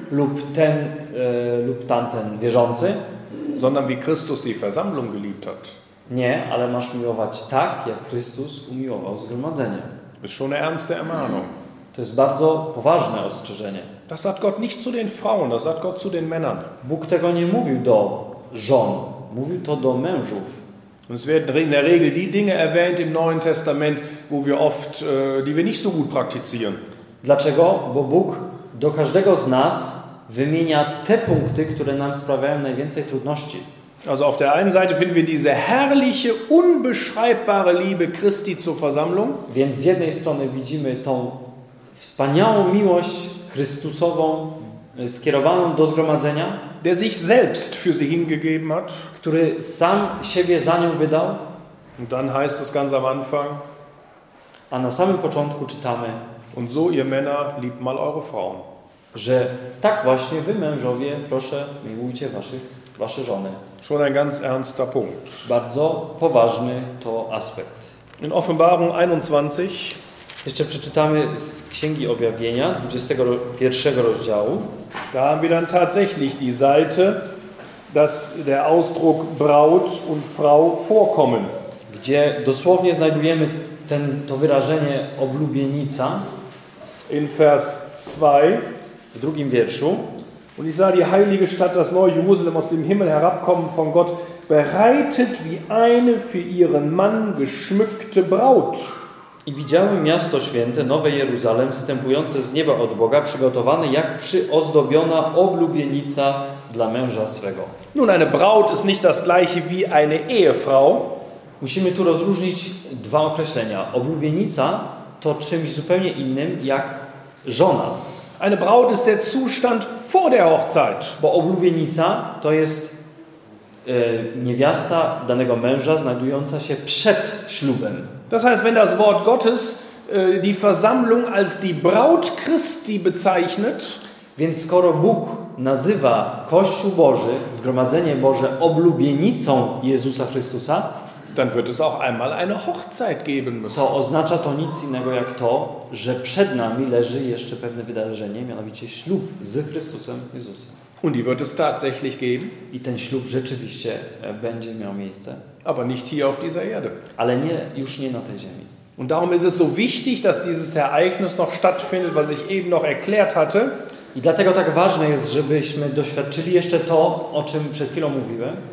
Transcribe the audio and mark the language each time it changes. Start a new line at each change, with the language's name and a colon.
Polish: Lub ten, lub tamten wierzący.
German: Sondern wie Christus die Versammlung geliebt hat.
Polish: Nie, ale masz miłować tak, jak Chrystus umiłował zgromadzenie.
German: Ist schon eine ernste Ermahnung.
Polish: To jest bardzo poważne ostrzeżenie.
German: Das sagt Gott nicht zu den Frauen, das sagt Gott zu den Männern.
Polish: Bóg tego nie mówił do żon, mówił to do mężów.
German: Und es werden in der Regel die Dinge erwähnt im Neuen Testament, wo wir oft, die wir nicht so gut praktizieren.
Polish: Dlaczego? Bo Bóg do każdego z nas wymienia te punkty, które nam sprawiają najwięcej trudności.
German: Also auf der einen Seite finden wir diese herrliche, unbeschreibbare Liebe Christi zur Versammlung.
Polish: Więc z jednej strony widzimy tą wspaniałą miłość Chrystusową skierowaną do zgromadzenia,
German: der sich selbst für sie hingegeben hat,
Polish: który sam siebie za nią wydał.
German: Und dann heißt es ganz am Anfang,
Polish: a na samym początku czytamy,
German: und so ihr Männer liebt mal eure Frauen,
Polish: że tak właśnie wy mężowie, proszę, miłujcie wasze żony.
German: Schon ein ganz ernster Punkt.
Polish: Bardzo poważny to aspekt.
German: In Offenbarung 21
Polish: jeszcze przeczytamy z Księgi Objawienia 21 rozdziału.
German: Da haben wir dann tatsächlich die Seite, dass der Ausdruck Braut und Frau vorkommen.
Polish: Gdzie dosłownie znajdujemy to wyrażenie oblubienica.
German: In Vers 2
Polish: w drugim wierszu.
German: Und ich sah die heilige Stadt, das neue Jerusalem, aus dem Himmel herabkommen von Gott, bereitet wie eine für ihren Mann geschmückte Braut.
Polish: I widziałem miasto święte, nowe Jeruzalem, wstępujące z nieba od Boga, przygotowane jak przyozdobiona oblubienica dla męża swego.
German: Nun, eine Braut ist nicht das gleiche wie eine Ehefrau.
Polish: Musimy tu rozróżnić dwa określenia. Oblubienica to czymś zupełnie innym jak żona.
German: Eine Braut ist der Zustand vor der Hochzeit.
Polish: Bo oblubienica to jest niewiasta danego męża znajdująca się przed ślubem.
German: Das heißt, wenn das Wort Gottes die Versammlung als die Braut Christi bezeichnet,
Polish: więc skoro Bóg nazywa Kościół Boży, zgromadzenie Boże oblubienicą Jezusa Chrystusa,
German: dann wird es auch einmal eine Hochzeit geben müssen.
Polish: To oznacza to nic innego jak to, że przed nami leży jeszcze pewne wydarzenie, mianowicie ślub z Chrystusem Jezusem.
German: Und die wird es tatsächlich geben.
Polish: I ten ślub rzeczywiście będzie miał miejsce.
German: Aber nicht hier auf dieser Erde.
Polish: Ale nie, już nie na tej ziemi.
German: Und darum ist es so wichtig, dass dieses Ereignis noch stattfindet, was ich eben noch erklärt hatte.
Polish: I dlatego tak ważne jest, żebyśmy doświadczyli jeszcze to, o czym przed chwilą mówiłem.